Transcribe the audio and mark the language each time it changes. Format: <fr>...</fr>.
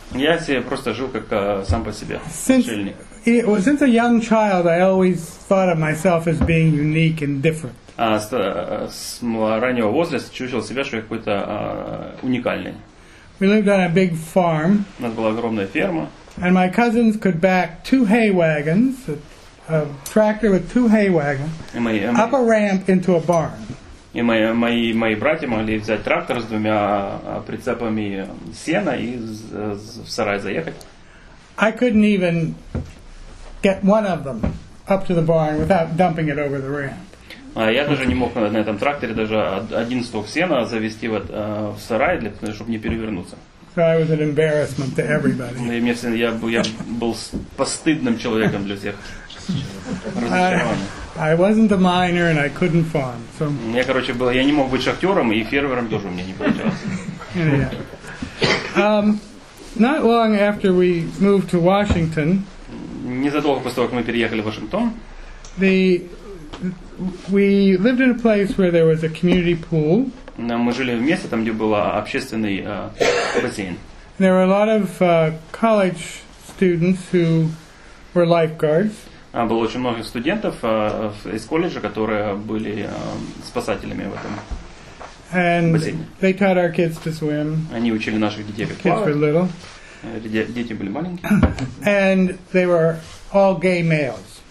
<ru>Я себе просто жил как сам по себе.</ru> <en>Since a young child, I always thought of myself as being unique and different.</en> <ru>С раннего возраста чувствовал себя, что я какой-то уникальный.</ru> <en>We lived on a big farm.</en> <ru>У нас была огромная ферма.</ru> <en>And my cousins could back 2 hay wagons, a tractor with 2 hay wagons, up a ramp into a barn.</en> <ru>И мои братья могли взять трактор с 2 прицепами сена и в сарай заехать.</ru> <en>I couldn't even get one of them up to the barn without dumping it over the ramp.</en> <ru>Я даже не мог на этом тракторе даже 1 стог сена завести в сарай, чтобы не перевернуться.</ru> <en>So I was an embarrassment to everybody.</en> <ru>Я был постыдным человеком для всех.</ru> <en>I wasn't a miner and I couldn't farm. So...</en> <ru>Я не мог быть шахтером, и фермером тоже у меня не получалось.</ru> <en>Not long after we moved to Washington.</en> <ru>Незадолго после того, как мы переехали в Вашингтон.</ru> <en>We lived in a place where there was a community pool.</en> <ru>Мы жили в месте, там где был общественный бассейн.</ru> <en>There were a lot of college students who were lifeguards.</en> <ru>Было очень много студентов из колледжа, которые были спасателями в этом бассейне.</ru> <en>And they taught our kids to swim.</en> <ru>Они учили наших детей как плавать.</ru> <en>Kids were little.</en> <ru>Дети были маленькие.</ru> <en>And they were all gay males.</en>